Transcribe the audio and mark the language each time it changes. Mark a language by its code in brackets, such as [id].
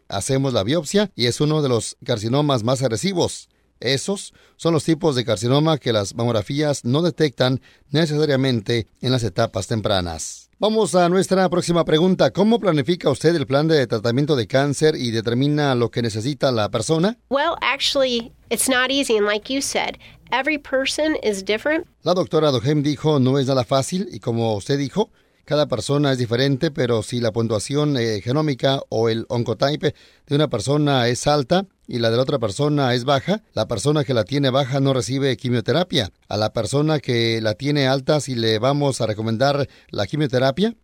[es] Hacemos la biopsia y es uno de los carcinomas más agresivos. Esos son los tipos de carcinoma que las mamografías no detectan necesariamente en las etapas tempranas. Vamos a nuestra próxima pregunta. ¿Cómo planifica usted el plan de tratamiento de cáncer y determina lo que necesita la persona? [en] Well, actually, it's not easy, and like you said, every person is different. [es] La doctora Duhaime dijo, no es nada fácil, y como usted dijo, cada persona es diferente, pero si la puntuación genómica o el oncotype de una persona es alta y la de la otra persona es baja, la persona que la tiene baja no recibe quimioterapia. A la persona que la tiene alta, si le vamos a recomendar la quimioterapia.